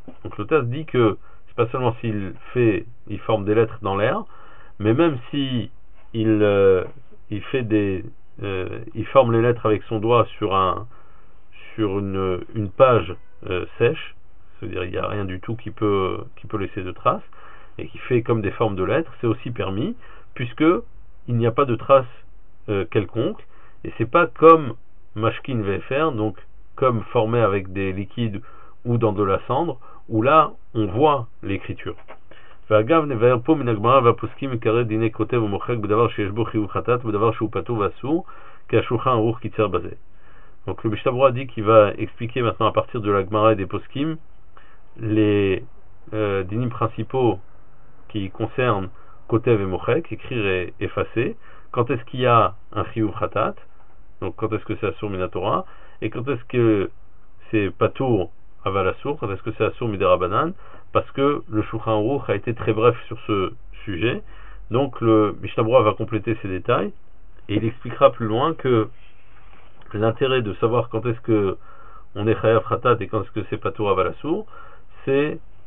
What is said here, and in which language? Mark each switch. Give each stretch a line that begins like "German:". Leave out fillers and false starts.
French: Donc le taz dit que c'est pas seulement s'il fait, il forme des lettres dans l'air, mais même si il forme les lettres avec son doigt sur une page sèche, c'est-à-dire il n'y a rien du tout qui peut laisser de traces, et qui fait comme des formes de lettres, c'est aussi permis, puisque il n'y a pas de traces quelconques, et c'est pas comme Mashkin VFR, donc comme formé avec des liquides ou dans de la cendre, où là on voit l'écriture.
Hebrew: ואגב נבהר פה מן הגמרא והפוסקים עיקרי דיני כותב ומוחק בדבר שיש בו חיוב חטאת ובדבר שהוא פטור ואסור כי השולחן ערוך קיצר בזה.
French: Donc le Mishnah Berurah dit qu'il va expliquer maintenant à partir de la Gemara et des poskim les dinim principaux qui concernent kotev et mochek, écrire et effacer, quand est-ce qu'il y a un chiyuv khatat, donc quand est-ce que c'est assur minatora, et quand est-ce que c'est patour aval assur, quand est-ce que c'est assur midarabanan, parce que le Shulchan Aruch a été très bref sur ce sujet, donc le Mishnah Berurah va compléter ces détails, et il expliquera plus loin que l'intérêt de savoir quand est-ce que on est chayav khatat et quand est-ce que c'est patour aval assur, c'est